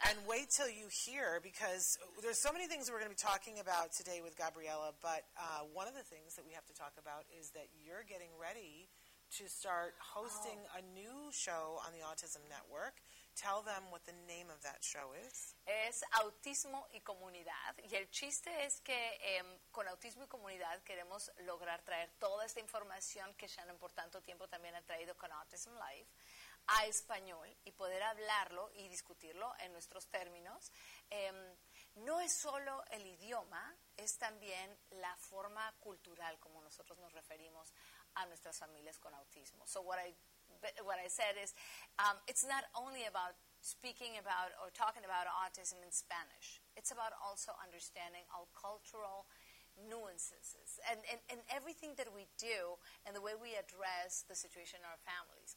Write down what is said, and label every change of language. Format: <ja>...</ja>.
<en>And wait till you hear, because there's so many things we're going to be talking about today with Gabriella, but one of the things that we have to talk about is that you're getting ready to start hosting a new show on the Autism Network. Tell them what the name of that show is.</en> <es>Es Autismo y Comunidad. Y el chiste es que con Autismo y Comunidad queremos lograr traer toda esta información que Shannon por tanto tiempo también ha traído con Autism Life a español y poder hablarlo y discutirlo en nuestros términos. No es solo el idioma, es también la forma cultural como nosotros nos referimos a nuestras familias con autismo.</es> <en>So what I said is, it's not only about speaking about or talking about autism in Spanish. It's about also understanding our cultural nuances and everything that we do and the way we address the situation in our families.</en>